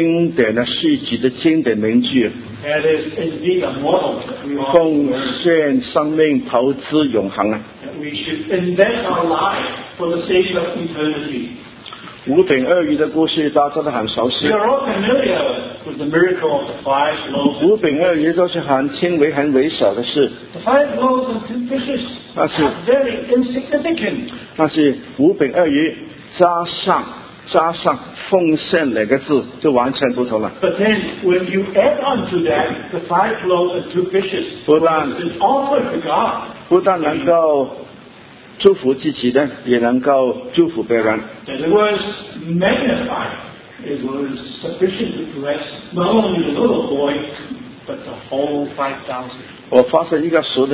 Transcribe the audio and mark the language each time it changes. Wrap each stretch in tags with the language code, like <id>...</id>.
<zh>哇，这是一个经典的续集的经典名句。</zh> <en>That is indeed a model that we want to learn.</en> <zh>奉献生命投资永恒啊。</zh> <en>We should invest our life for the sake of eternity.</en> <zh>五饼二鱼的故事大家都很熟悉。</zh> <en>We are all familiar with the miracle of the five loaves.</en> <zh>五饼二鱼都是很轻微很微小的事。</zh> <en>The five loaves and two fishes are very insignificant.</en> <zh>那是五饼二鱼加上 加上奉献两个字, 就完全不同了。</zh> <en>But then, when you add on to that, the five loaves and two fishes,</en> <zh>不但,</zh> <en>is offered to God.</en> <zh>不但能够祝福自己, 也能够祝福别人。</zh> <en>It was magnified. It was sufficient to bless not only the little boy, but the whole 5,000.</en>